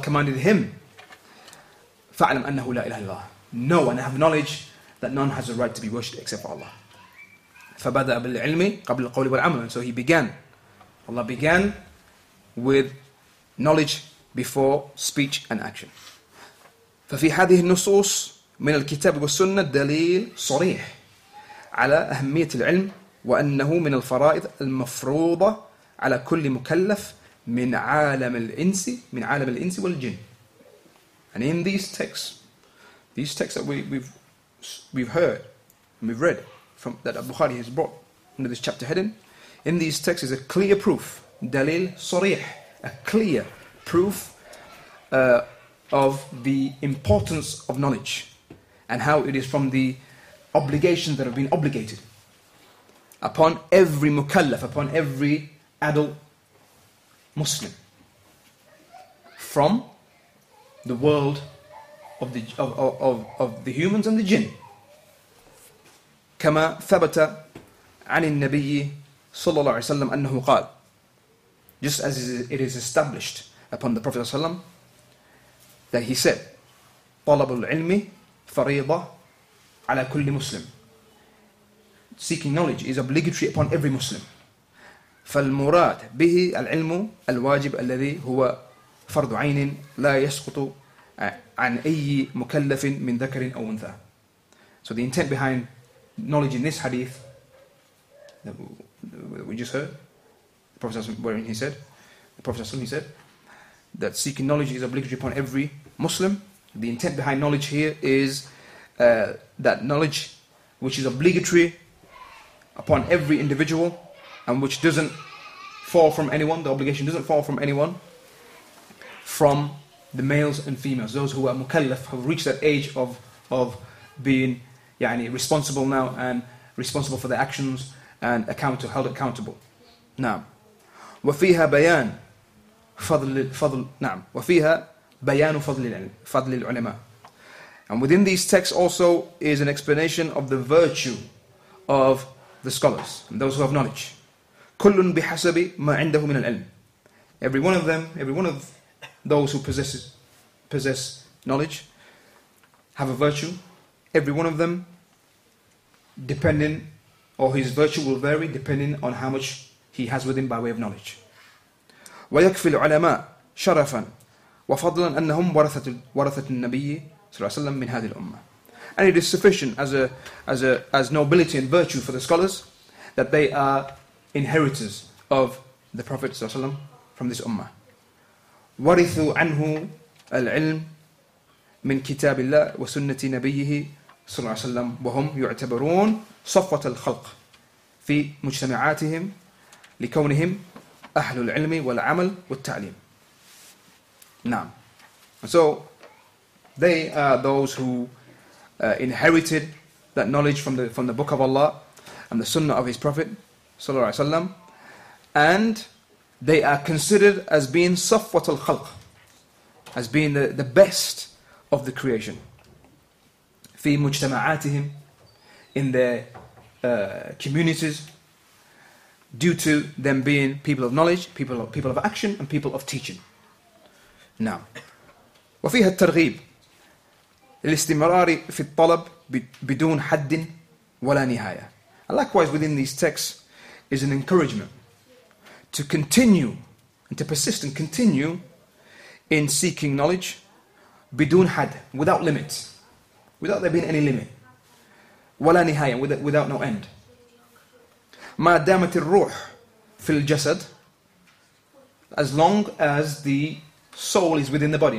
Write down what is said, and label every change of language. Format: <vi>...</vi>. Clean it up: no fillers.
<en>Allah commanded him,</en> <ar>فَعْلَمْ أَنَّهُ لَا إِلَهِ إِلَّا اللَّهِ.</ar> <en>Know and have knowledge that none has a right to be worshipped except for Allah.</en> <ar>فَبَدَأَ بِالْعِلْمِ قَبْلَ الْقَوْلِ وَالْعَمَلِ.</ar> <en>So He began. Allah began with knowledge before speech and action.</en> <ar>ففي هذه النصوص من الكتاب والسنة دليل صريح على أهمية العلم وأنه من الفرائض المفروضة على كل مكلف من عالم الإنس والجن.</ar> <en>And in these texts that we've heard and we've read from that Bukhari has brought under this chapter heading, in these texts is a clear proof,</en> <ar>دليل صريح,</ar> <en>a clear proof of the importance of knowledge and how it is from the obligations that have been obligated upon every mukallaf, upon every adult Muslim, from the world of the humans and the jinn.</en> <ar>كما ثبت عن النبي صلى الله عليه وسلم أنه قال.</ar> <en>Just as it is established upon the Prophet ﷺ that he said,</en> <ar>طلب العلم فريضة على كل مسلم.</ar> <en>Seeking knowledge is obligatory upon every Muslim.</en> <ar>فالمراد به العلم الواجب الذي هو فرض عين لا يسقط عن أي مكلف من ذكر أو أنثى.</ar> <en>So the intent behind knowledge in this hadith that we just heard, the Prophet ﷺ said that seeking knowledge is obligatory upon every Muslim. The intent behind knowledge here is that knowledge which is obligatory upon every individual and which doesn't fall from anyone, the obligation doesn't fall from anyone, from the males and females, those who are mukallaf, have reached that age of being yani responsible now and responsible for their actions and held accountable.</en> <ar>Naam. وفيها بيان فضل نعم وفيها بيان فضل العلماء.</ar> <en>And within these texts also is an explanation of the virtue of the scholars, those who have knowledge.</en> <ar>كل بحسب ما عنده من العلم.</ar> <en>Every one of them, every one of those who possess knowledge have a virtue. Every one of them, depending, or his virtue will vary depending on how much he has with him by way of knowledge.</en> <ar>ويكفي العلماء شرفا وفضلا أنهم ورثة النبي صلى الله عليه وسلم من هذه الأمة.</ar> <en>And it is sufficient as nobility and virtue for the scholars that they are inheritors of the Prophet صلى الله عليه وسلم from this ummah.</en> <ar>ورثوا عنه العلم من كتاب الله وسنة نبيه صلى الله عليه وسلم وهم يعتبرون صفوة الخلق في مجتمعاتهم لكونهم أهل العلم والعمل والتعليم. نعم.</ar> <en>And so they are those who inherited that knowledge from the Book of Allah and the Sunnah of His Prophet sallallahu alaihi wasallam, and they are considered as being safwat al-khalq, as being the best of the creation.</en> <ar>في مجتمعاتهم,</ar> <en>in their communities, due to them being people of knowledge, people of action, and people of teaching. Now,</en> <ar>وفيها الترغيب الاستمرار في الطلب بدون حد ولا نهاية.</ar> <en>And likewise, within these texts is an encouragement to continue and to persist and continue in seeking knowledge</en> <ar>بدون حد,</ar> <en>without limit, without there being any limit.</en> <ar>ولا نهاية,</ar> <en>without no end.</en> <ar>ما دامت الروح في الجسد,</ar> <en>as long as the soul is within the body.</en>